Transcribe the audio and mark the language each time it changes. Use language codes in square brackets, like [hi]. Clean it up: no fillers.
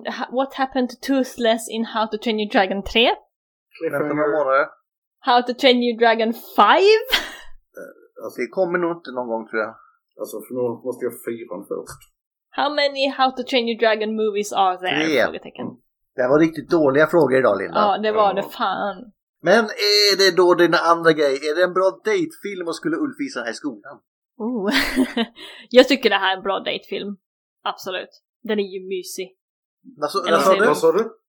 [en] What happened to Toothless in How to Train Your Dragon 3? [sv] Vänta några månader. [en] How to Train Your Dragon 5? [sv] Alltså, det kommer nog inte någon gång tror jag. Alltså för nu måste jag fyra först. [en] How many How to Train Your Dragon movies are there? [sv] 3. Mm. Det var riktigt dåliga frågor idag Linda. Ja, det var det fan. Men är det då dina andra grej? Är det en bra datefilm och skulle Ulf visa den här i skolan? Oh. Jag tycker det här är en bra datefilm. Absolut. Den är ju mysig. Vad sa du?